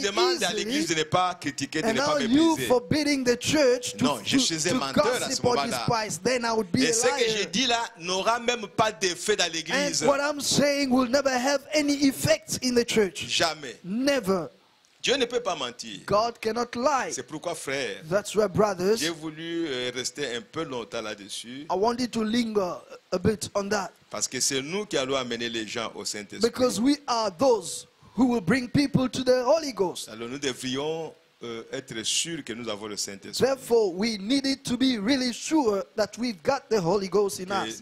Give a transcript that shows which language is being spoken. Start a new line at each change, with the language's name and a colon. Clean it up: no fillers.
French: Et tu demandes à l'église de ne pas critiquer, de
English: and
French: ne pas mépriser.
English: You forbidding the church to,
French: non, je suis un menteur à ce moment-là.
English: Then I would be
French: et Et ce que j'ai dit là n'aura même pas d'effet dans l'église.
English: And what I'm saying will never have any effect in the church.
French: Jamais.
English: Never.
French: Dieu ne peut pas mentir.
English: God cannot lie.
French: C'est pourquoi, frère,
English: that's why, brothers,
French: j'ai voulu rester un peu longtemps là-dessus.
English: I wanted to linger a bit on that.
French: Parce que c'est nous qui allons amener les gens au Saint-Esprit.
English: Because we are those who will bring people to the Holy Ghost.
French: Alors nous devrions être sûr que nous avons le Saint-Esprit.
English: Therefore, we needed to be really sure that we've got the Holy Ghost in us.